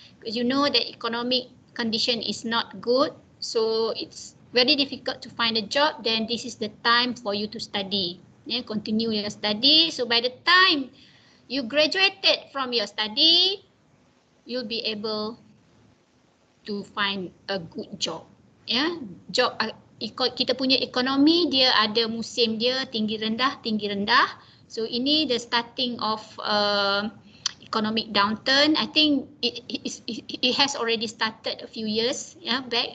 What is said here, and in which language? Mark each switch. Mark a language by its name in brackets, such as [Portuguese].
[English] Because you know that economic condition is not good, so it's very difficult to find a job, then this is the time for you to study. Yeah, continue your study. So by the time you graduated from your study, you'll be able to find a good job. Yeah, job. [Malay] Kita punya ekonomi dia ada musim dia tinggi rendah. [English] So [Malay] ini [English] the starting of economic downturn. I think it has already started a few years back.